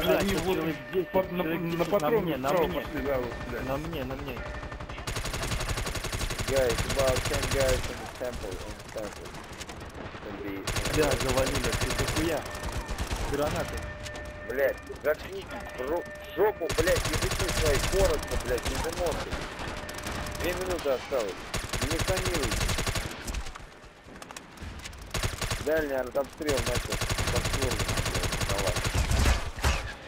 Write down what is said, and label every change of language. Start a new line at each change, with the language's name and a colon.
Russian: Они вот здесь по, на патроне, на мне, пошли, да, вот, на мне, на мне.
English: Guys, about 10 guys in the temple, on the temple.
Russian: Да, завалили, ты дохуя. Гранаты. Блять, заткнитесь, жопу, блять, языки свои, коротко, блять, без эмоций. Две минуты осталось, не фонируйте. Дальний артобстрел начал, подстрел, блять, на вас.